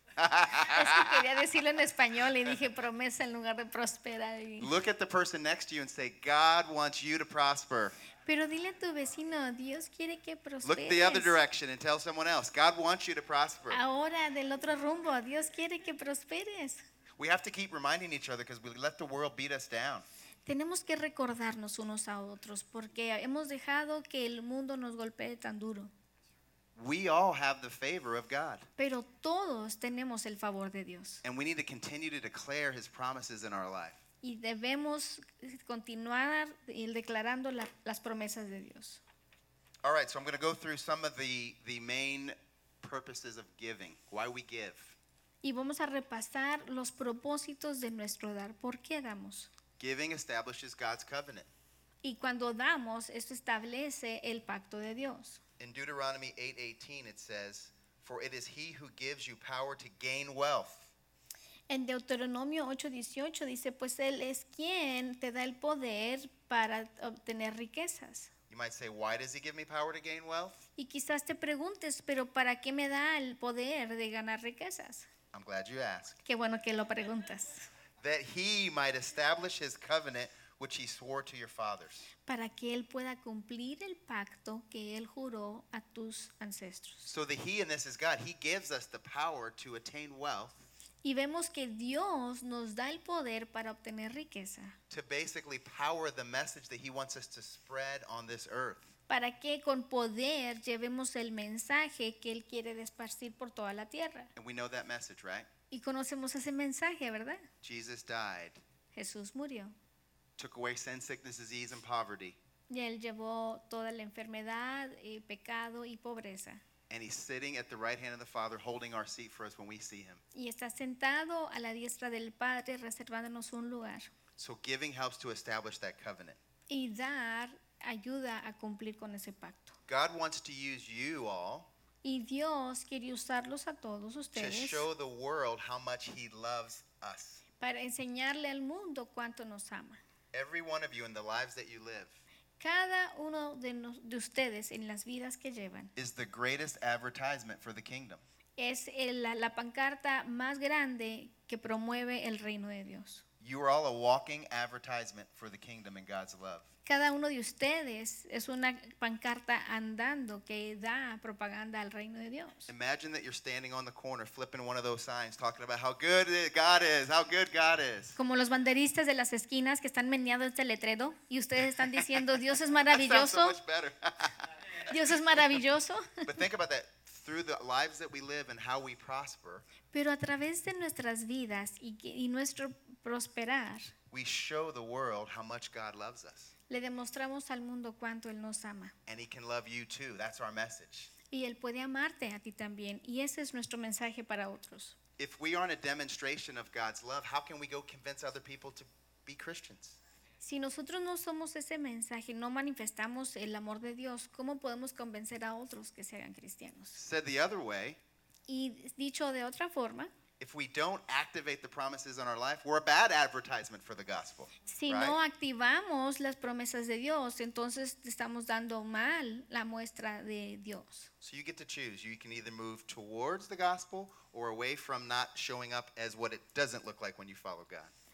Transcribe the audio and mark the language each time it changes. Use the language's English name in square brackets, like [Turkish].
[Spanish] Es que quería decirlo en español y dije promesa en lugar de prosperar. [English] Look at the person next to you and say, God wants you to prosper. [Spanish] Pero dile a tu vecino, Dios quiere que prosperes. [English] Look the other direction and tell someone else, God wants you to prosper. [Spanish] Ahora del otro rumbo, Dios quiere que prosperes. [English] We have to keep reminding each other because we let the world beat us down. [Spanish] Tenemos que recordarnos unos a otros porque hemos dejado que el mundo nos golpee tan duro. [English] We all have the favor of God. [Spanish] Pero todos tenemos el favor de Dios. [English] And we need to continue to declare his promises in our life. [Spanish] Y debemos continuar declarando las promesas de Dios. [English] All right, so I'm going to go through some of the main purposes of giving, why we give. [Spanish] Y vamos a repasar los propósitos de nuestro dar. ¿Por qué damos? [English] Giving establishes God's covenant. [Spanish] Y cuando damos, esto establece el pacto de Dios. [English] In Deuteronomy 8:18 it says, "For it is he who gives you power to gain wealth." [Spanish] En Deuteronomio 8:18 dice, "Pues él es quien te da el poder para obtener riquezas." [English] You might say, "Why does he give me power to gain wealth?" [Spanish] Y quizás te preguntes, "¿Pero para qué me da el poder de ganar riquezas?" [English] I'm glad you asked. [Spanish] Qué bueno que lo preguntas. [English] That he might establish his covenant which he swore to your fathers. [Spanish] Para que él pueda cumplir el pacto que él juró a tus ancestros. [English] So the he in this is God. He gives us the power to attain wealth. [Spanish] Y vemos que Dios nos da el poder para obtener riqueza. [English] To basically power the message that he wants us to spread on this earth. [Spanish] Para que con poder llevemos el mensaje que él quiere esparcir por toda la tierra. [English] And we know that message, right? [Spanish] Y conocemos ese mensaje, ¿verdad? [English] Jesus died. [Spanish] Jesús murió. [English] Took away sin, sickness, disease, and poverty. [Spanish] Y él llevó toda la enfermedad, y pecado y pobreza. [English] And he's sitting at the right hand of the Father, holding our seat for us when we see him. [Spanish] Y está sentado a la diestra del Padre, reservándonos un lugar. [English] So giving helps to establish that covenant. [Spanish] Y dar ayuda a cumplir con ese pacto. [English] God wants to use you all. [Spanish] Y Dios quiere usarlos a todos ustedes. [English] To show the world how much he loves us. [Spanish] Para enseñarle al mundo cuánto nos ama. [English] Every one of you in the lives that you live. [Spanish] Cada uno de ustedes en las vidas que llevan. [English] Is the greatest advertisement for the kingdom. [Spanish] Es la pancarta más grande que promueve el reino de Dios. [English] You are all a walking advertisement for the kingdom and God's love. [Spanish] Cada uno de ustedes es una pancarta andando que da propaganda al reino de Dios. [English] Imagine that you're standing on the corner flipping one of those signs talking about how good God is, how good God is. [Spanish] Como los banderistas de las esquinas que están meneando este letrero y ustedes están diciendo Dios es maravilloso. [English] That sounds so much better. [Spanish] Dios es maravilloso. [English] But think about that. Through the lives that we live and how we prosper. [Spanish] Pero a través de nuestras vidas y nuestro prosperar. [English] We show the world how much God loves us. [Spanish] Le demostramos al mundo cuánto él nos ama. [English] And he can love you too. That's our message. [Spanish] Y él puede amarte a ti también, y ese es nuestro mensaje para otros. [English] If we aren't a demonstration of God's love, how can we go convince other people to be Christians? [Spanish] Si nosotros no somos ese mensaje, no manifestamos el amor de Dios, ¿cómo podemos convencer a otros que se hagan cristianos? [English] Said the other way. [Spanish] Y dicho de otra forma, [English] if we don't activate the promises in our life, we're a bad advertisement for the gospel. [Spanish] Si [English] right? [Spanish] No activamos las promesas de Dios, entonces estamos dando mal la muestra de Dios. [English] So you get to choose. You can either move towards the gospel or away from not showing up as what it doesn't look like when you follow God.